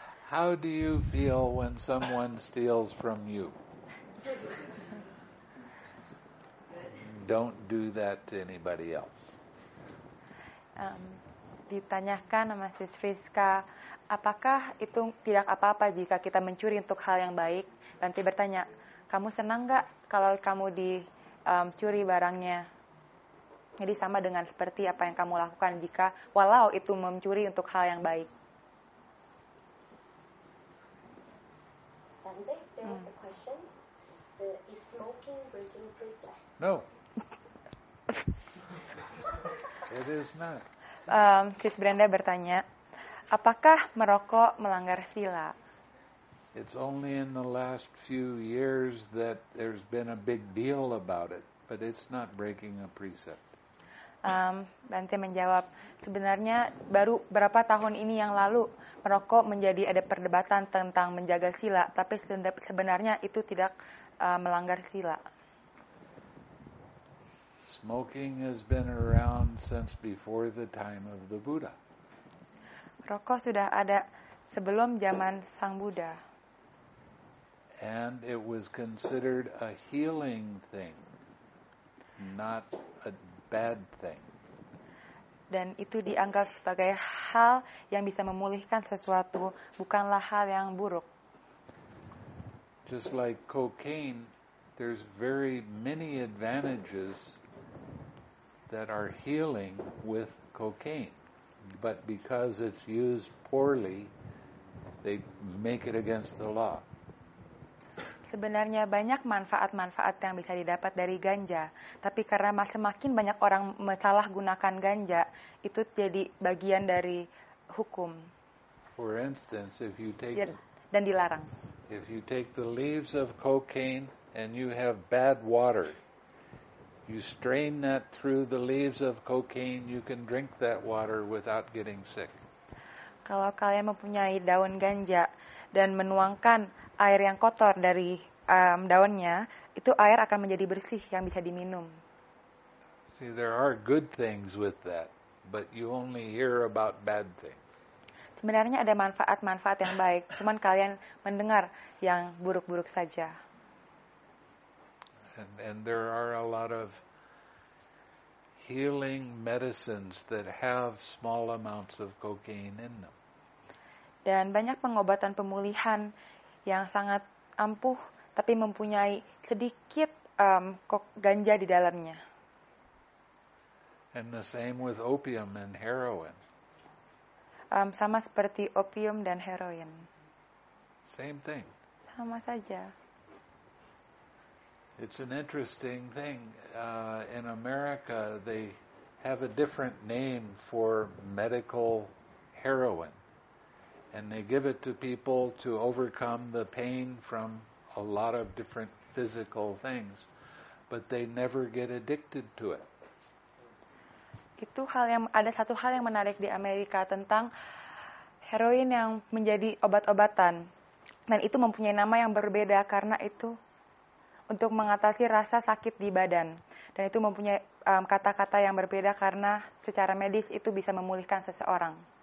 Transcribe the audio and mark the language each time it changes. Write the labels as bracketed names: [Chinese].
[English] How do you feel when someone steals from you? Don't do that to anybody else. [Indonesian] Ditanyakan sama Sis Friska, apakah itu tidak apa-apa jika kita mencuri untuk hal yang baik? Nanti bertanya, kamu senang gak kalau kamu dicuri barangnya? Jadi sama dengan seperti apa yang kamu lakukan jika walau itu mencuri untuk hal yang baik. [English] Tante, there was a question. Is smoking breaking precept? No. It is not. [Indonesian] Chris Brenda bertanya, apakah merokok melanggar sila? [English] It's only in the last few years that there's been a big deal about it, but it's not breaking a precept. [Indonesian] Bante menjawab, sebenarnya baru berapa tahun ini yang lalu merokok menjadi ada perdebatan tentang menjaga sila, tapi sebenarnya itu tidak melanggar sila. [English] Smoking has been around since before the time of the Buddha. [Indonesian] Rokok sudah ada sebelum zaman Sang Buddha. [English] And it was considered a healing thing, not a bad thing. [Indonesian] Dan itu dianggap sebagai hal yang bisa memulihkan sesuatu, bukanlah hal yang buruk. [English] Just like cocaine, there's very many advantages that are healing with cocaine, but because it's used poorly, they make it against the law. [Indonesian] Sebenarnya banyak manfaat-manfaat yang bisa didapat dari ganja, tapi karena semakin banyak orang menyalahgunakan ganja, itu jadi bagian dari hukum. [English] For instance, if you take [Indonesian] dan dilarang. [English] If you take the leaves of cocaine and you have bad water, you strain that through the leaves of cocaine, you can drink that water without getting sick. [Indonesian] Kalau kalian mempunyai daun ganja dan menuangkan air yang kotor dari daunnya, itu air akan menjadi bersih yang bisa diminum. [English] See, there are good things with that, but you only hear about bad things. [Indonesian] Sebenarnya ada manfaat-manfaat yang baik, cuman kalian mendengar yang buruk-buruk saja. [English] And there are a lot of healing medicines that have small amounts of cocaine in them. [Indonesian] Dan banyak pengobatan pemulihan yang sangat ampuh tapi mempunyai sedikit ganja di dalamnya. [English] And the same with opium and heroin. [Indonesian] Sama seperti opium dan heroin. [English] Same thing. [Indonesian] Sama saja. [English] It's an interesting thing. In America, they have a different name for medical heroin. And they give it to people to overcome the pain from a lot of different physical things. But they never get addicted to it. [Indonesian] Itu hal yang ada satu hal yang menarik di Amerika tentang heroin yang menjadi obat-obatan. Dan itu mempunyai nama yang berbeda karena itu untuk mengatasi rasa sakit di badan. Dan itu mempunyai kata-kata yang berbeda karena secara medis itu bisa memulihkan seseorang.